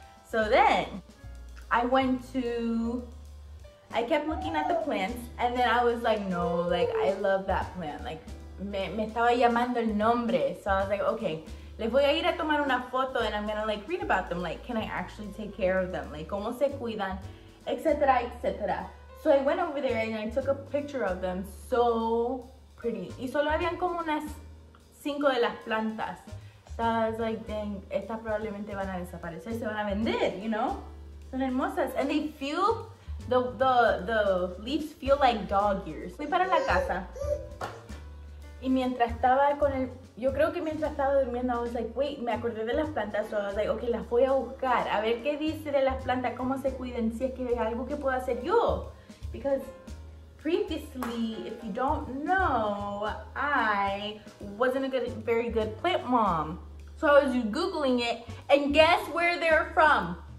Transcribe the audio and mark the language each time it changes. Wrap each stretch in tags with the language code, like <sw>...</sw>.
<en>So then, I kept looking at the plants, and then I was like, no, like, I love that plant. Like,</en> <es>me estaba llamando el nombre.</es> <en>So I was like, okay,</en> <es>les voy a ir a tomar una foto,</es> <en>and I'm gonna, like, read about them. Like, can I actually take care of them? Like,</en> <es>¿cómo se cuidan?</es> <en>Etc., etc. So I went over there, and I took a picture of them. So pretty.</en> <es>Y solo habían como unas cinco de las plantas.</es> <en>So I was like, dang,</en> <es>estas probablemente van a desaparecer. Se van a vender,</es> <en>you know?</en> <es>Son hermosas.</es> <en>And they feel, the leaves feel like dog ears.</en> <es>Fui para la casa. Y mientras estaba con el, yo creo que mientras estaba durmiendo,</es> <en>I was like, wait,</en> <es>me acordé de las plantas.</es> <en>So I was like, okay,</en> <es>las voy a buscar. A ver qué dice de las plantas, cómo se cuiden, si es que hay algo que pueda hacer yo.</es> <en>Because previously, if you don't know, I wasn't a very good plant mom. So I was Googling it, and guess where they're from?</en>